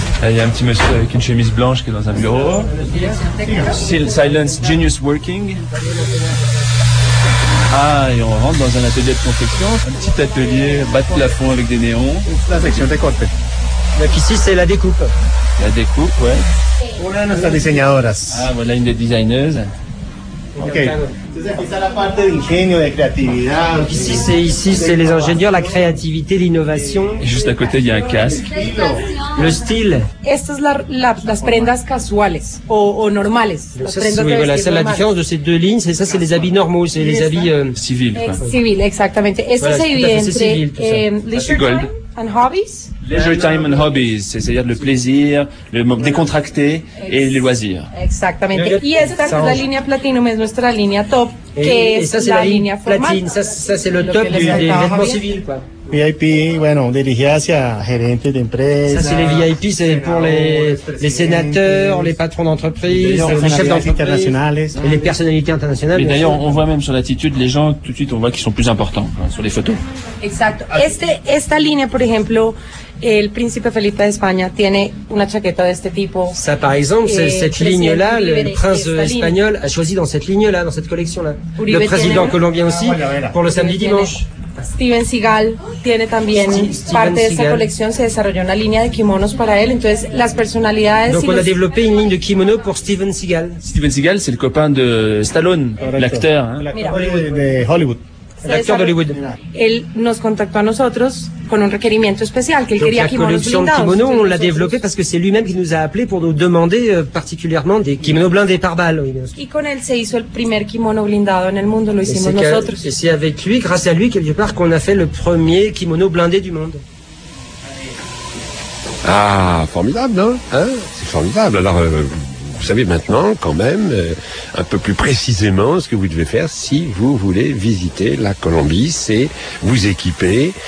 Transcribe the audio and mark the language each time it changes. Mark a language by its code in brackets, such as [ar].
[fr] Il y a un petit monsieur avec une chemise blanche qui est dans un bureau. [en] Silence, genius working. [fr] Ah, et on rentre dans un atelier de confection. Un petit atelier bas de plafond avec des néons. Et puis ici, c'est la découpe. La découpe, ouais. [es] Una de nuestras diseñadoras. [fr] Ah, voilà une des designeuses. Ok. Donc ici c'est les ingénieurs, la créativité, l'innovation. Et juste à côté il y a un casque. Le style. [es] Estas las prendas casuales o normales. [fr] Voilà, c'est la différence de ces deux lignes. C'est ça, c'est les habits normaux, c'est les habits civils. Civils, exactement. [es] Esto se divide entre [en] leisure time and hobbies. Leisure time and hobbies, [fr] c'est-à-dire le plaisir, le décontracté et les loisirs. Exactement. [es] Y esta es la línea platinum, es nuestra línea top, que es la línea [fr] platine. Ça c'est le top des vêtements civils, quoi. [es] VIP, bueno, dirigé hacia gerentes de empresas. [fr] Ça, c'est les VIP, c'est pour les sénateurs, les patrons d'entreprise, les chefs d'entreprise, et les personnalités internationales. Mais d'ailleurs, on voit même sur l'attitude, les gens, tout de suite, on voit qu'ils sont plus importants, hein, sur les photos. [es] Exacto. Esta línea, por ejemplo, el príncipe Felipe de España tiene una chaqueta de este tipo. [fr] Ça, par exemple, cette ligne-là, le prince espagnol a choisi dans cette ligne-là, dans cette collection-là. Uribe le président colombien aussi, pour le samedi dimanche. [es] Steven Seagal tiene también parte de esa colección, se desarrolló una línea de kimonos para él, entonces las personalidades... [fr] Donc on a développé une ligne de kimono pour Steven Seagal. Steven Seagal, c'est le copain de Stallone, correcto. L'acteur. Hein. L'acteur de Hollywood. [es] Él nos contactó a nosotros con un requerimiento especial, que él quería kimonos blindados. La colección de kimono, [fr] on l'a développé parce que c'est lui-même qui nous a appelé pour nous demander particulièrement des kimonos blindés par balles. [es] Y con él se hizo el primer kimono blindado en el mundo, lo hicimos nosotros. [fr] Et c'est avec lui, grâce à lui, quelque part, qu'on a fait le premier kimono blindé du monde. Ah, formidable, non? Hein? C'est formidable, alors... Vous savez maintenant, quand même, un peu plus précisément ce que vous devez faire si vous voulez visiter la Colombie, c'est vous équiper.